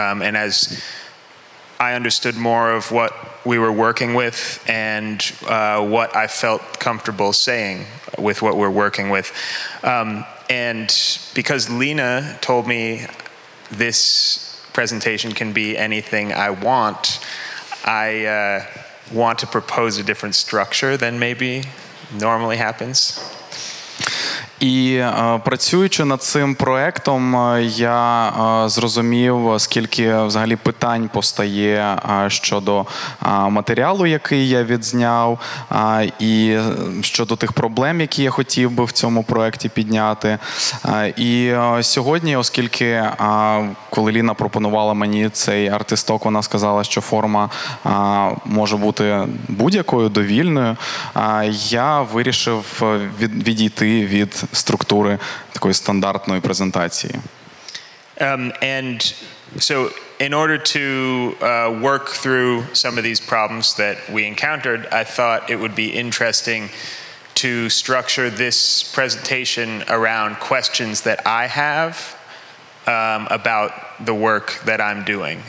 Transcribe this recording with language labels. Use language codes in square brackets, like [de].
[en] And as I understood more of what we were working with and what I felt comfortable saying with what we're working with. And because Lena told me this presentation can be anything I want, I want to propose a different structure than maybe normally happens. [uk] І працюючи над цим проектом, я зрозумів, скільки взагалі питань постає щодо матеріалу, який я відзняв, і щодо тих проблем, які я хотів би в цьому проєкті підняти. І сьогодні, оскільки коли Ліна пропонувала мені цей артисток, вона сказала, що форма може бути будь-якою, довільною, я вирішив відійти від структури такої стандартної презентації. [en] And so in order to work through some of these problems that we encountered, I thought it would be interesting to structure this presentation around questions that I have about the work that I'm doing.